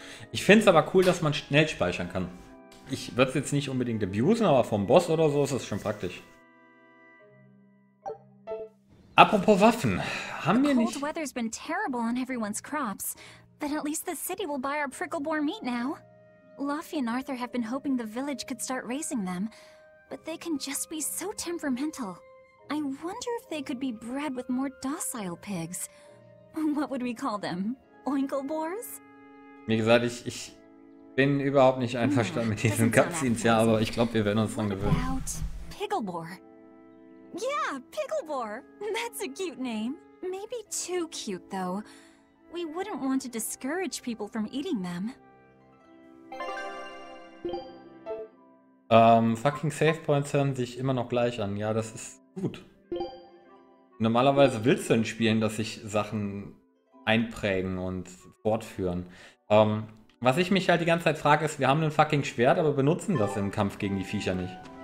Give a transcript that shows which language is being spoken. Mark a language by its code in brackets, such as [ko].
[de] Ich finde es aber cool, dass man schnell speichern kann. Ich würde es jetzt nicht unbedingt abusen, aber vom Boss oder so ist es schon praktisch. Apropos Waffen. Haben wir nicht... Das kalte Wetter ist [en] terrible [de] auf [en] everyone's crops. But at least the city will buy our prickleborn meat now. Luffy and Arthur have been hoping the village could start raising them, but they can just be so temperamental. I wonder if they could be bred with more docile pigs. What would we call them? Oinkleboars? [de] Wie gesagt, ich bin überhaupt nicht einverstanden mit diesen Cutscenes, ja, aber ich glaube, wir werden uns dran gewöhnen. [en] About Pigglebore. Yeah, Pigglebore. That's a cute name. Maybe too cute though. We wouldn't want to discourage people from eating them. [de] Fucking Safe Points hören sich immer noch gleich an. Ja, das ist gut. Normalerweise willst du in Spielen, dass sich Sachen einprägen und fortführen. Was ich mich halt die ganze Zeit frage, ist, wir haben ein fucking Schwert, aber benutzen das im Kampf gegen die Viecher nicht.